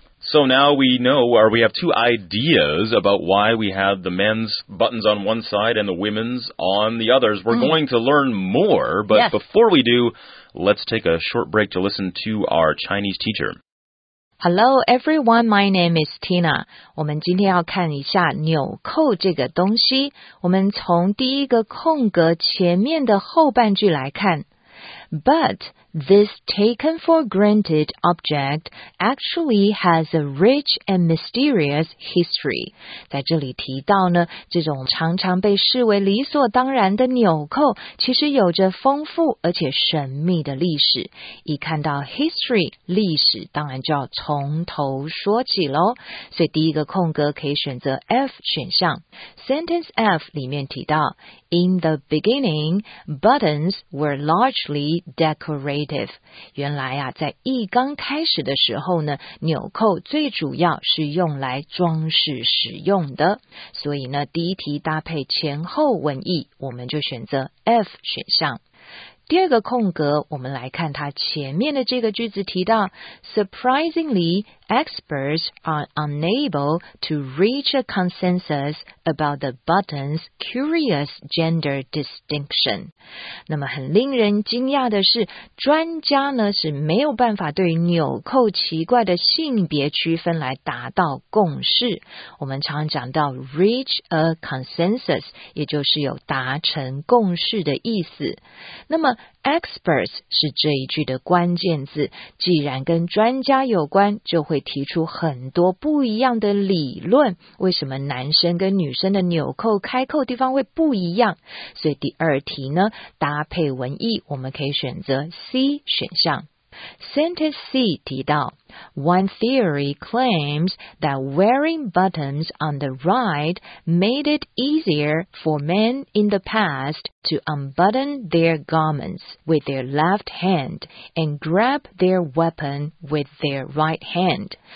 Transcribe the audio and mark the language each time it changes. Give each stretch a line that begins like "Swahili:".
English: So now we know, or we have two ideas about why we have the men's buttons on one side and the women's on the others. We're going to learn more, but before we do, let's take a short break to listen to our Chinese teacher. Hello, everyone. My name is Tina.
Chinese: 我们今天要看一下纽扣这个东西。我们从第一个空格前面的后半句来看。
English: But this taken for granted object actually has a rich and mysterious history.
Chinese: 在这里提到呢，这种常常被视为理所当然的纽扣，其实有着丰富而且神秘的历史。一看到 history, 历史当然就要从头说起咯。所以第一个空格可以选择 F 选项。
English: Sentence F
Chinese: 里面提到
English: In the beginning, buttons were largely decorative.
Chinese: 原来啊，在一刚开始的时候呢，纽扣最主要是用来装饰使用的。所以呢，第一题搭配前后文意，我们就选择 F 选项。第二个空格，我们来看它前面的这个句子提到 ，
English: Surprisingly, experts are unable to reach a consensus about the button's curious gender distinction.
Chinese: 那么很令人惊讶的是，专家呢是没有办法对纽扣奇怪的性别区分来达到共识。我们常常讲到
English: reach a consensus，
Chinese: 也就是有达成共识的意思。那么experts 是这一句的关键字，既然跟专家有关，就会提出很多不一样的理论。为什么男生跟女生的纽扣开扣地方会不一样？所以第二题呢，搭配文意，我们可以选择 C 选项。
English: Sentence C
Chinese: 提到
English: One theory claims that wearing buttons on the right made it easier for men in the past to unbutton their garments with their left hand and grab their weapon with their right hand.